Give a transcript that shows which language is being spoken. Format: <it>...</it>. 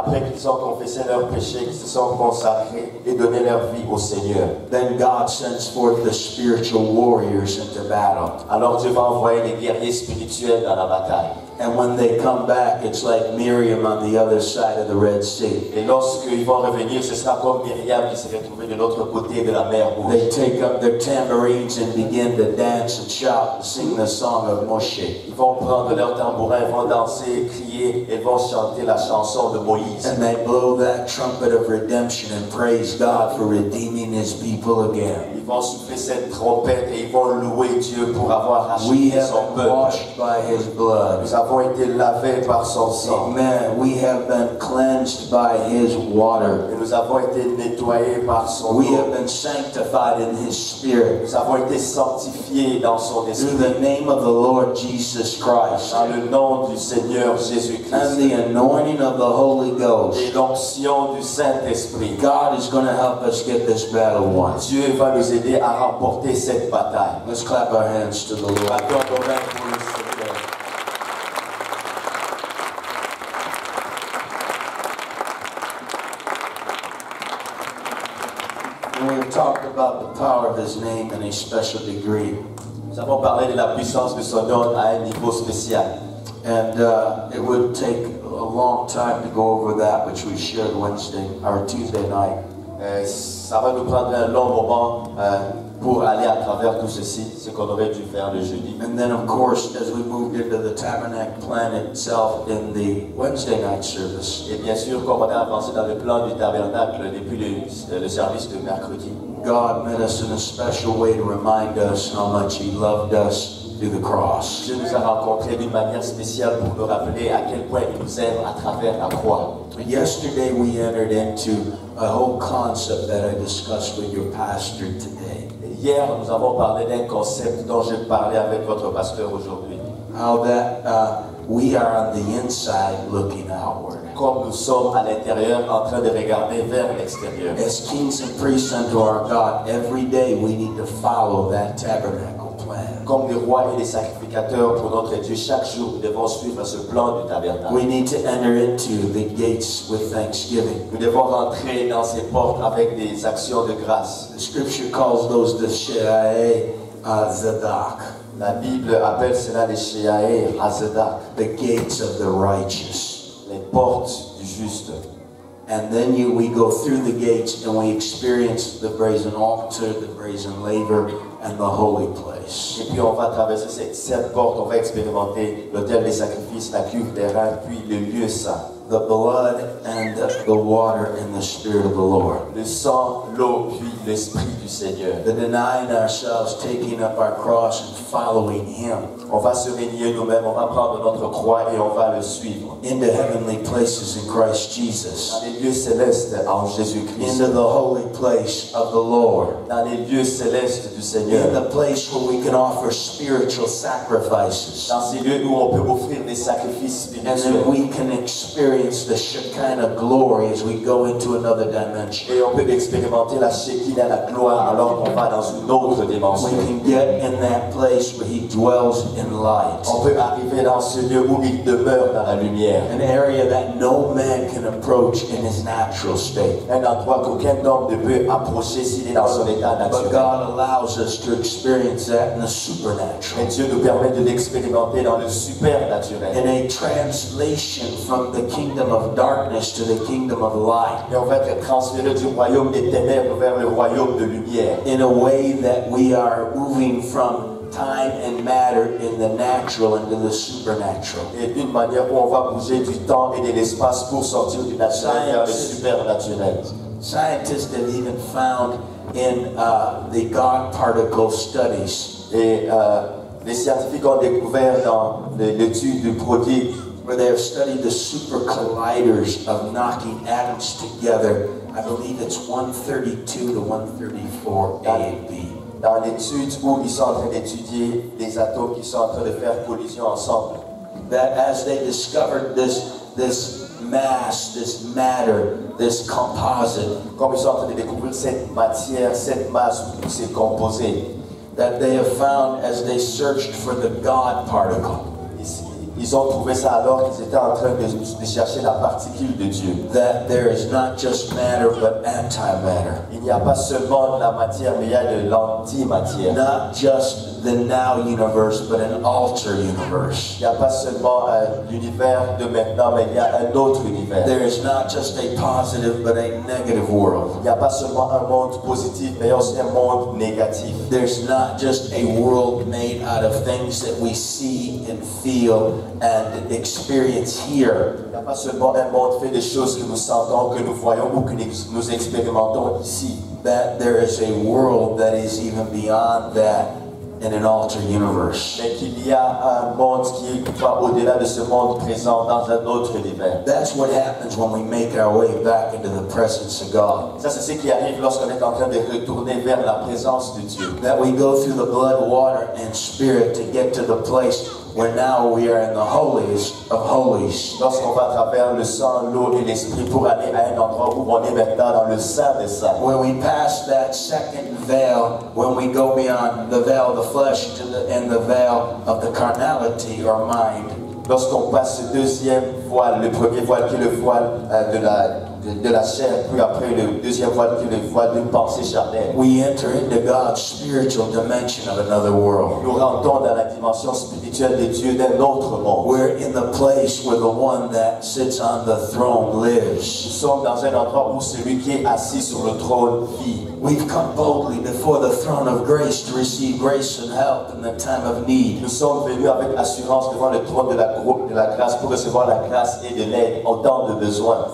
<fr>Après qu'ils ont confessé leurs péchés, qu'ils se sont consacrés et donné leur vie au Seigneur.</fr> <en>Then God sends forth the spiritual warriors into battle.</en> <fr>Alors Dieu va envoyer les guerriers spirituels dans la bataille.</fr> <en>And when they come back, it's like Miriam on the other side of the Red Sea.</en> <fr>Et lorsqu'ils vont revenir, ce sera comme Miriam qui s'est retrouvée de l'autre côté de la mer Rouge.</fr> <en>They take up their tambourines and begin to dance and shout and sing the song of Moshe.</en> <fr>Ils vont prendre leur tambourin, ils vont danser, crier et vont chanter la chanson de Moïse.</fr> <en>And they blow that trumpet of redemption and praise God for redeeming His people again.</en> <fr>Ils vont souffler cette trompette et ils vont louer Dieu pour avoir racheté son peuple.</fr> <en>We have been washed by His blood.</en> <fr>Nous avons été lavés par son sang.</fr> <en>Amen. We have been cleansed by His water.</en> <fr>Et nous avons été nettoyés par son eau.</fr> <en>We have been sanctified in His spirit.</en> <fr>Nous avons été sanctifiés dans son esprit.</fr> <en>Through the name of the Lord Jesus Christ.</en> <fr>Dans le nom du Seigneur Jésus Christ.</fr> <en>And the anointing of the Holy Ghost.</en> <fr>Et l'onction du Saint-Esprit.</fr> <en>God is going to help us get this battle won.</en> <fr>Dieu va nous aider à remporter cette bataille.</fr> <en>Let's clap our hands to the Lord. Talked about the power of His name in a special degree.</en> <fr>Nous avons parlé de la puissance de son nom à un niveau spécial.</fr> <en>And it would take a long time to go over that which we shared Wednesday or Tuesday night.</en> <fr>Ça va nous prendre un long moment pour aller à travers tout ceci, ce qu'on aurait dû faire le jeudi.</fr> <en>And then, of course, as we move into the tabernacle plan itself in the Wednesday night service.</en> <fr>Et bien sûr, comme on a avancé dans le plan du tabernacle depuis le service de mercredi.</fr> <en>God met us in a special way to remind us how much He loved us through the cross.</en> <fr>Dieu nous a rencontrés d'une manière spéciale pour nous rappeler à quel point il nous aime à travers la croix.</fr> <en>But yesterday we entered into a whole concept that I discussed with your pastor today.</en> <fr>Hier, nous avons parlé d'un concept dont j'ai parlé avec votre pasteur aujourd'hui.</fr> <en>How that we are on the inside looking outward.</en> <fr>Comme nous sommes à l'intérieur en train de regarder vers l'extérieur.</fr> <en>As kings and priests unto our God, every day we need to follow that tabernacle plan.</en> <fr>Comme les rois et les sacrificateurs pour notre Dieu, chaque jour, nous devons suivre ce plan du tabernacle.</fr> <en>We need to enter into the gates with thanksgiving.</en> <fr>Nous devons rentrer dans ces portes avec des actions de grâce.</fr> <en>The scripture calls those the Shea'e Azadak.</en> <fr>La Bible appelle cela les Shea'e Azadak.</fr> <en>The gates of the righteous.</en> <fr>Les portes du juste.</fr> <en>And then we go through the gates and we experience the brazen altar, the brazen laver, and the holy place.</en> <fr>Et puis on va traverser cette porte, on va expérimenter l'autel des sacrifices, la cuve des reins, puis le lieu saint.</fr> <en>the blood and the water in the Spirit of the Lord.</en> <fr>Le sang, l'eau, puis l'Esprit du Seigneur.</fr> <en>The denying ourselves, taking up our cross and following Him.</en> <fr>On va se renier nous-mêmes, on va prendre notre croix et on va le suivre.</fr> <en>Into heavenly places in Christ Jesus.</en> <fr>Dans les lieux célestes en Jésus-Christ.</fr> <en>Into the holy place of the Lord.</en> <fr>Dans les lieux célestes du Seigneur.</fr> <en>In the place where we can offer spiritual sacrifices.</en> <fr>Dans ces lieux où on peut offrir des sacrifices spirituels.</fr> <en>And we can experience the Shekinah glory as we go into another dimension.</en> <fr>Et on peut expérimenter la Shekinah, la gloire, alors qu'on va dans une autre dimension.</fr> <en>We can get in that place where He dwells in light.</en> <fr>On peut arriver dans ce lieu où il demeure dans la lumière.</fr> <en>An area that no man can approach in his natural state.</en> <fr>Un endroit qu'aucun homme ne peut approcher s'il est dans son état naturel.</fr> <en>But God allows us to experience that in the supernatural.</en> <fr>Et Dieu nous permet de l'expérimenter dans le supernaturel.</fr> <en>In a translation from the kingdom of darkness to the kingdom of light.</en> <fr>Et on va être transféré du royaume des ténèbres vers le royaume de lumière.</fr> <en>In a way that we are moving from time and matter in the natural into the supernatural.</en> <fr>Et d'une manière où on va bouger du temps et de l'espace pour sortir du naturel vers le supernaturel.</fr> <en>Scientists have even found in the God particle studies.</en> <fr>Et les scientifiques ont découvert dans l'étude du produit</fr> <en>where they have studied the super colliders of knocking atoms together. I believe it's 132 to 134 A and B.</en> <fr>Dans l'étude où ils sont en train d'étudier les atomes qui sont en train de faire collision ensemble.</fr> <en>That as they discovered this mass, this matter, this composite.</en> <fr>Comme ils sont en train de découvrir cette matière, cette masse où c'est composé.</fr> <en>That they have found as they searched for the God particle.</en> <fr>Ils ont trouvé ça alors qu'ils étaient en train de chercher la particule de Dieu.</fr> <en>That there is not just matter, but antimatter.</en> <fr>Il n'y a pas seulement la matière, mais il y a de l'antimatière.</fr> <en>Not just the now universe, but an alter universe.</en> <fr>Il n'y a pas seulement l'univers de maintenant, mais il y a un autre univers.</fr> <en>There is not just a positive, but a negative world.</en> <fr>Il n'y a pas seulement un monde positif, mais aussi un monde négatif.</fr> <en>There's not just a world made out of things that we see and feel and experience here.</en> <fr>Il n'y a pas seulement un monde fait des choses que nous sentons, que nous voyons ou que nous expérimentons ici.</fr> <en>That there is a world that is even beyond that. In an alter universe.</en> <fr>Mais qu'il y a un monde qui va au-delà de ce monde présent dans un autre univers.</fr> <en>That's what happens when we make our way back into the presence of God.</en> <fr>Ça c'est ce qui arrive lorsqu'on est en train de retourner vers la présence de Dieu.</fr> <en>That we go through the blood, water, and spirit to get to the place where now we are in the holiest of holies.</en> <fr>Lorsqu'on va traverser le sang, l'eau et l'esprit pour aller à un endroit où on est maintenant dans le saint des saints.</fr> <en>When we pass that second veil, when we go beyond the veil of the flesh to the veil of the carnality or mind.</en> <fr>Lorsqu'on passe ce deuxième voile, le premier voile qui est le voile de la chair, puis après le deuxième voile qui est le voile d'une pensée charnelle.</fr> <en>We enter into God's spiritual dimension of another world.</en> <fr>Nous rentrons dans la dimension spirituelle des dieux d'un autre monde.</fr> <en>We're in the place where the one that sits on the throne lives.</en> <fr>Nous sommes dans un endroit où celui qui est assis sur le trône vit.</fr> <en>We've come boldly before the throne of grace to receive grace and help in the time of need.</en> <fr>Nous sommes venus avec assurance devant le trône de la grâce pour recevoir la grâce et de l'aide en temps de besoin.</fr>